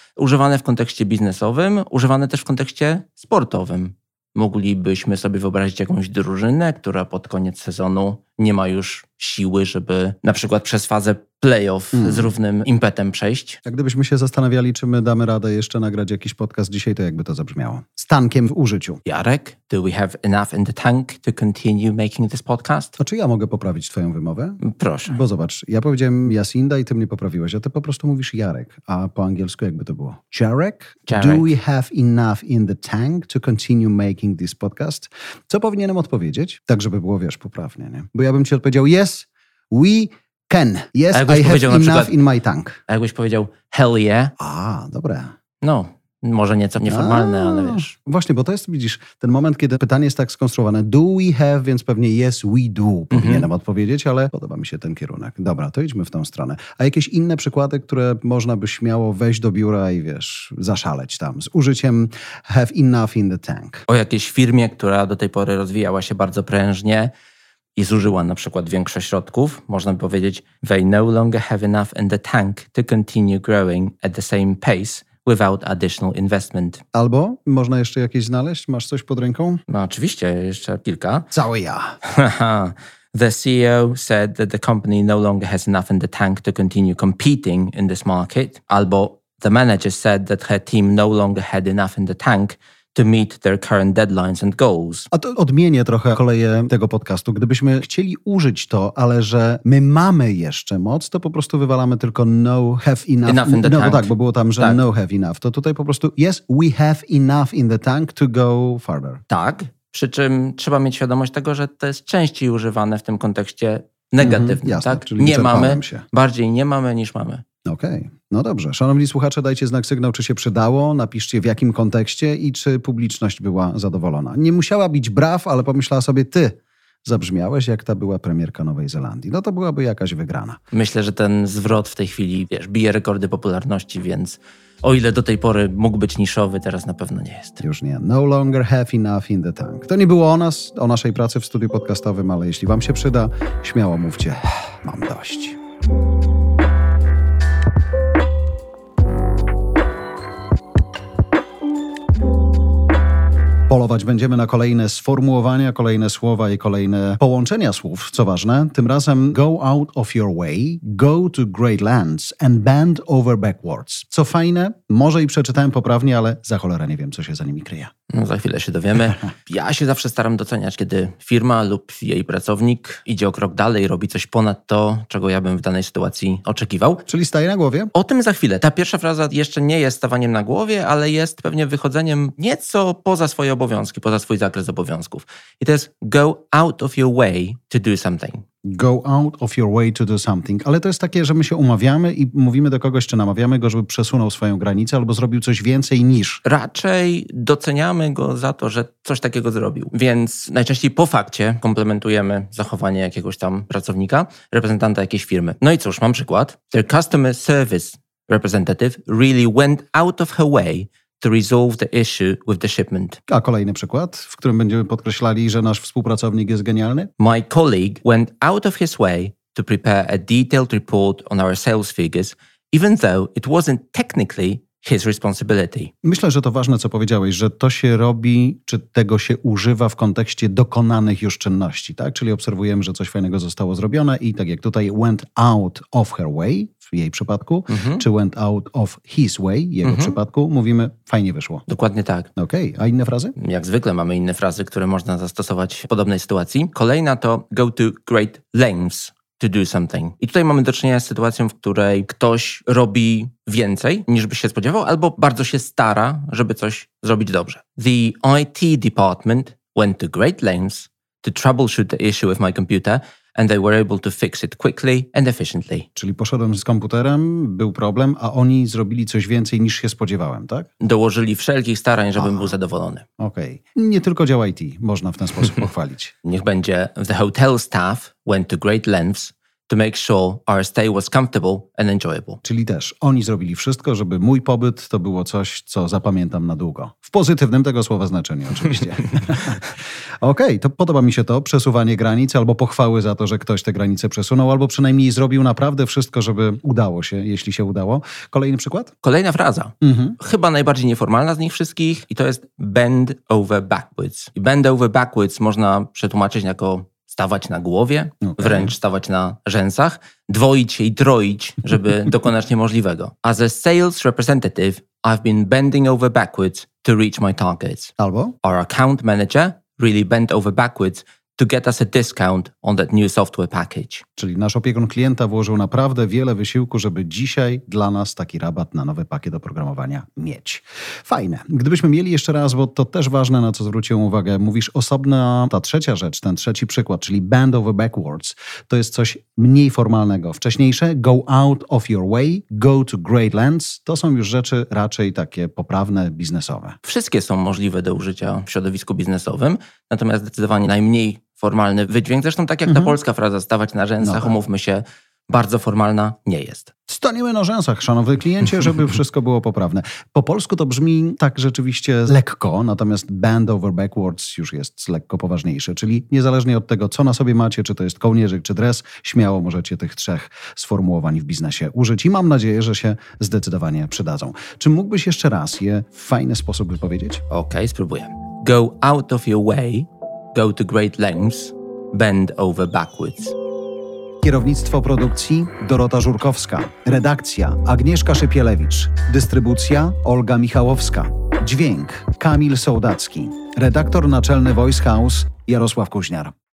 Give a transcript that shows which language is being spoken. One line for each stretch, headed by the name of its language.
Polish: Używane w kontekście biznesowym, używane też w kontekście sportowym. Moglibyśmy sobie wyobrazić jakąś drużynę, która pod koniec sezonu nie ma już siły, żeby na przykład przez fazę playoff z równym impetem przejść. Jak gdybyśmy się zastanawiali, czy my damy radę jeszcze nagrać jakiś podcast dzisiaj, to jakby to zabrzmiało. Z tankiem w użyciu.
English: Jarek, do we have enough in the tank to continue making this podcast?
Polish: A czy ja mogę poprawić twoją wymowę? Proszę. Bo zobacz, ja powiedziałem Jacinda i ty mnie poprawiłeś, a ty po prostu mówisz Jarek. A po angielsku jakby to było?
English: Jarek, do we have enough in the tank to continue making this podcast?
Polish: Co powinienem odpowiedzieć? Tak, żeby było, wiesz, poprawnie, nie? Bo ja bym ci odpowiedział,
English: yes, we can. Yes, I have enough
Polish: przykład,
English: in my tank.
Polish: A jakbyś powiedział,
English: hell yeah.
Polish: A, dobre. No, może nieco nieformalne, ale wiesz. Właśnie, bo to jest, widzisz, ten moment, kiedy pytanie jest tak skonstruowane.
English: Do we have,
Polish: więc pewnie
English: yes, we do,
Polish: powinienem odpowiedzieć, ale podoba mi się ten kierunek. Dobra, to idźmy w tą stronę. A jakieś inne przykłady, które można by śmiało wejść do biura i wiesz, zaszaleć tam z użyciem
English: have enough in the tank?
Polish: O jakiejś firmie, która do tej pory rozwijała się bardzo prężnie i zużyła na przykład większe środków, można by powiedzieć
English: they no longer have enough in the tank to continue growing at the same pace without additional investment.
Polish: Albo można jeszcze jakieś znaleźć? Masz coś pod ręką? No oczywiście, jeszcze kilka. Cały ja.
English: The CEO said that the company no longer has enough in the tank to continue competing in this market.
Polish: Albo
English: the manager said that her team no longer had enough in the tank to meet their current deadlines and goals.
Polish: A to odmienię trochę koleję tego podcastu. Gdybyśmy chcieli użyć to, ale że my mamy jeszcze moc, to po prostu wywalamy tylko
English: no have enough. Enough in the
Polish: no,
English: tank.
Polish: No tak, bo było tam, że tak. No
English: have enough.
Polish: To tutaj po prostu
English: yes, we have enough in the tank to go further.
Polish: Tak, przy czym trzeba mieć świadomość tego, że to jest częściej używane w tym kontekście negatywnym. Jasne, tak? Czyli nie mamy, się. Bardziej nie mamy niż mamy. Okej. Okay. No dobrze. Szanowni słuchacze, dajcie znak sygnał, czy się przydało, napiszcie w jakim kontekście i czy publiczność była zadowolona. Nie musiała być braw, ale pomyślała sobie, ty zabrzmiałeś, jak ta była premierka Nowej Zelandii. No to byłaby jakaś wygrana. Myślę, że ten zwrot w tej chwili, wiesz, bije rekordy popularności, więc o ile do tej pory mógł być niszowy, teraz na pewno nie jest. Już nie.
English: No longer have enough in the tank.
Polish: To nie było o nas, o naszej pracy w studiu podcastowym, ale jeśli wam się przyda, śmiało mówcie, mam dość. Polować będziemy na kolejne sformułowania, kolejne słowa i kolejne połączenia słów, co ważne. Tym razem
English: go out of your way, go to great lands and bend over backwards.
Polish: Co fajne, może i przeczytałem poprawnie, ale za cholerę nie wiem, co się za nimi kryje. No, za chwilę się dowiemy. Ja się zawsze staram doceniać, kiedy firma lub jej pracownik idzie o krok dalej, robi coś ponad to, czego ja bym w danej sytuacji oczekiwał. Czyli staje na głowie? O tym za chwilę. Ta pierwsza fraza jeszcze nie jest stawaniem na głowie, ale jest pewnie wychodzeniem nieco poza swoje obowiązki, poza swój zakres obowiązków. I to jest
English: go out of your way to do something. Go out of your way to do something.
Polish: Ale to jest takie, że my się umawiamy i mówimy do kogoś, czy namawiamy go, żeby przesunął swoją granicę albo zrobił coś więcej niż. Raczej doceniamy go za to, że coś takiego zrobił. Więc najczęściej po fakcie komplementujemy zachowanie jakiegoś tam pracownika, reprezentanta jakiejś firmy. No i cóż, mam przykład.
English: Their customer service representative really went out of her way to resolve the issue with the shipment.
Polish: A kolejny przykład, w którym będziemy podkreślali, że nasz współpracownik jest genialny?
English: My colleague went out of his way to prepare a detailed report on our sales figures, even though it wasn't technically his responsibility.
Polish: Myślę, że to ważne, co powiedziałeś, że to się robi, czy tego się używa w kontekście dokonanych już czynności, tak? Czyli obserwujemy, że coś fajnego zostało zrobione i tak jak tutaj
English: went out of her way,
Polish: w jej przypadku, czy
English: went out of his way,
Polish: jego przypadku, mówimy fajnie wyszło. Dokładnie tak. Okej, okay. A inne frazy? Jak zwykle mamy inne frazy, które można zastosować w podobnej sytuacji. Kolejna to
English: go to great lengths to do something.
Polish: I tutaj mamy do czynienia z sytuacją, w której ktoś robi więcej, niż by się spodziewał, albo bardzo się stara, żeby coś zrobić dobrze.
English: The IT department went to great lengths to troubleshoot the issue with my computer, and they were able to fix it quickly and efficiently.
Polish: Czyli poszedłem z komputerem, był problem, a oni zrobili coś więcej niż się spodziewałem, tak? Dołożyli wszelkich starań, żebym był zadowolony. Okej. Okay. Nie tylko dział IT można w ten sposób pochwalić. Niech będzie
English: the hotel staff went to great lengths to make sure our stay was comfortable and enjoyable.
Polish: Czyli też oni zrobili wszystko, żeby mój pobyt to było coś, co zapamiętam na długo. W pozytywnym tego słowa znaczeniu oczywiście. Okej, okay, to podoba mi się to, przesuwanie granic albo pochwały za to, że ktoś te granice przesunął albo przynajmniej zrobił naprawdę wszystko, żeby udało się, jeśli się udało. Kolejny przykład? Kolejna fraza. Chyba najbardziej nieformalna z nich wszystkich i to jest
English: bend over backwards.
Polish: I
English: bend over backwards
Polish: można przetłumaczyć jako stawać na głowie, okay. Wręcz stawać na rzęsach, dwoić się i troić, żeby dokonać niemożliwego.
English: As a sales representative, I've been bending over backwards to reach my targets.
Polish: Albo?
English: Our account manager really bent over backwards to get us a discount on that new software package.
Polish: Czyli nasz opiekun klienta włożył naprawdę wiele wysiłku, żeby dzisiaj dla nas taki rabat na nowy pakiet oprogramowania mieć. Fajne. Gdybyśmy mieli jeszcze raz, bo to też ważne, na co zwróciłem uwagę, mówisz osobna, ta trzecia rzecz, ten trzeci przykład, czyli
English: bend over backwards,
Polish: to jest coś mniej formalnego. Wcześniejsze,
English: go out of your way, go to great lengths,
Polish: to są już rzeczy raczej takie poprawne, biznesowe. Wszystkie są możliwe do użycia w środowisku biznesowym, natomiast zdecydowanie najmniej formalny wydźwięk, zresztą tak jak ta polska fraza, stawać na rzęsach, umówmy się, bardzo formalna nie jest. Staniemy na rzęsach, szanowny kliencie, żeby wszystko było poprawne. Po polsku to brzmi tak rzeczywiście lekko, natomiast
English: bend over backwards
Polish: już jest lekko poważniejsze, czyli niezależnie od tego, co na sobie macie, czy to jest kołnierzyk, czy dres, śmiało możecie tych trzech sformułowań w biznesie użyć i mam nadzieję, że się zdecydowanie przydadzą. Czy mógłbyś jeszcze raz je w fajny sposób wypowiedzieć? Okej, spróbuję.
English: Go out of your way, go to great lengths, bend over backwards.
Polish: Kierownictwo produkcji Dorota Żurkowska, redakcja Agnieszka Szypielewicz, dystrybucja Olga Michałowska, dźwięk Kamil Sołdacki, redaktor naczelny Voice House Jarosław Kuźniar.